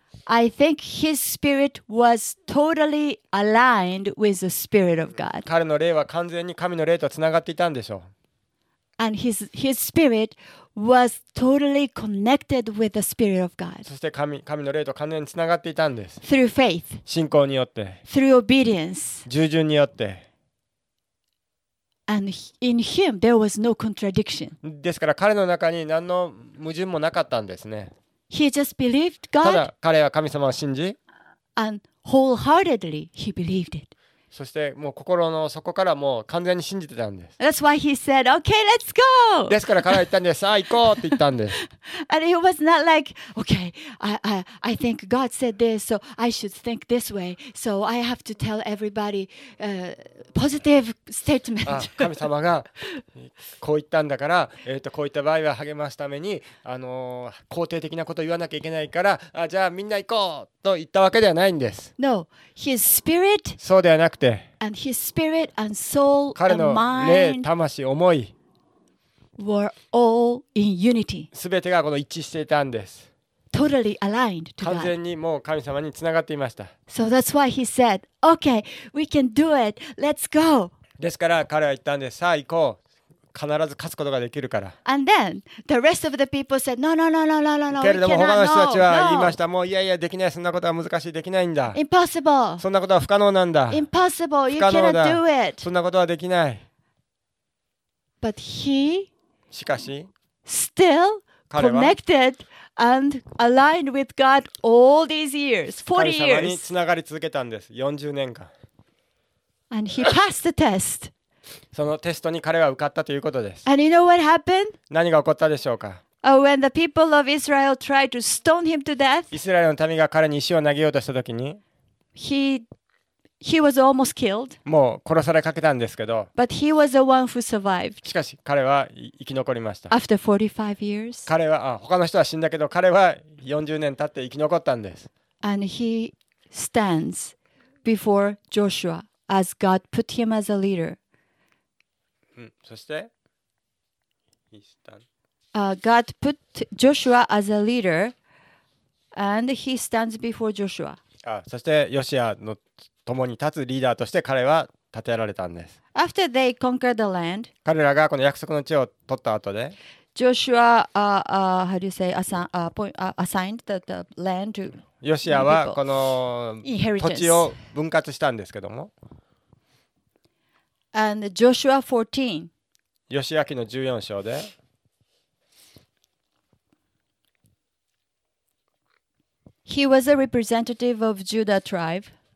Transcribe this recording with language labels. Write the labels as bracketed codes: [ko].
[en] I think his spirit was totally aligned with the spirit of God. [ja] 彼の霊は完全に神の霊とつながっていたんでしょう。 [en] And his spirit was totally connected with the spirit of God. [ja] そして神の霊と完全につながっていたんです。 [en] Through faith. [ja] 信仰によって。 [en] Through obedience. [ja] 従順によって。 [en] And in him there was no contradiction. [ja] ですから彼の中に何の矛盾もなかったんですね。 [en] He just believed God. [ja] ただ彼は神様を信じ、 [en] and wholeheartedly he believed it. [ja] そしてもう心の底からもう完全に信じてたんです。 [en] That's why he said, "Okay, let's go." [ja] ですから彼は言ったんです。さあ行こうって言ったんです。 [en] And it was not like, "Okay, I think God said this, so I should think this way, so I have to tell everybody positive statement." [ja] 神様がこう言ったんだから、こういった場合は励ますために肯定的なことを言わなきゃいけないから、あじゃあみんな行こうと言ったわけではないんです。 [en] No, his spirit. [ja] そうではなくて。 [en] And his spirit and soul and mind [ja] 彼の霊、魂、思い [en] were all in unity. [ja] 全てがこの一致していたんです。 [en] Totally aligned to God. [ja] 完全にもう神様につながっていました。 [en] So that's why he said, "Okay, we can do it. Let's go." [ja] ですから彼は言ったんです。さあ行こう。必ず勝つことができるから。 [en] And then the rest of the people said, "No, no, no, no, no, no, no." [ja] けれども他の人たちは言いました。もういやいやできない。そんなことは難しい。できないんだ。 [en] Impossible. [ja] そんなことは不可能なんだ。 [en] Impossible. You cannot do it. [ja] そんなことはできない。 [en] But he. [ja] しかし。 [en] Still connected and aligned with God all these years, 40 years. [ja] 神様につながり続けたんです。 40年間。 [en] And he passed the test. [ja] そのテストに彼は受かったということです。 [en] And you know what happened? [ja] 何が起こったでしょうか? [en] When the people of Israel tried to stone him to death, [ja] イスラエルの民が彼に石を投げようとしたときに、 [en] he was almost killed. [ja] もう殺されかけたんですけど、 [en] but he was the one who survived. [ja] しかし彼は生き残りました。 [en] After 45 years, [ja] 彼は他の人は死んだけど彼は40年経って生き残ったんです。 [en] And he stands before Joshua as God put him as a leader. [ja] そして、 [en] God put Joshua as a leader, and he stands before Joshua. [ja] そして、ヨシアの共に立つリーダーとして彼は立てられたんです。 [en] After they conquered the land, [ja] 彼らがこの約束の地を取った後で、 [en] Joshua, how do you say, assigned the land to [ja] ヨシアはこの土地を分割したんですけども。 [en] And Joshua 14. [ja] ヨシア記の14章で [en] He was a representative of Judah tribe.